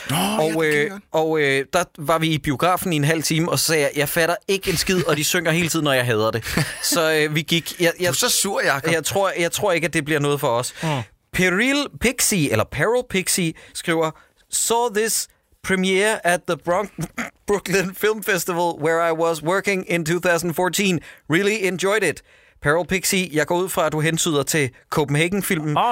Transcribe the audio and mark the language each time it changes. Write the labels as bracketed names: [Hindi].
[Danish] Der var vi i biografen i en halv time, og så sagde jeg fatter ikke en skid, og de synger hele tiden, når jeg hader det. Så vi gik. Du er så sur, Jacob. Jeg tror ikke, at det bliver noget for os. Peril Pixie, eller Peril Pixie, skriver, [English] Saw this premiere at the Brooklyn Film Festival, where I was working in 2014. Really enjoyed it. [Danish] Peril Pixie, jeg går ud fra, at du hentyder til Copenhagen-filmen,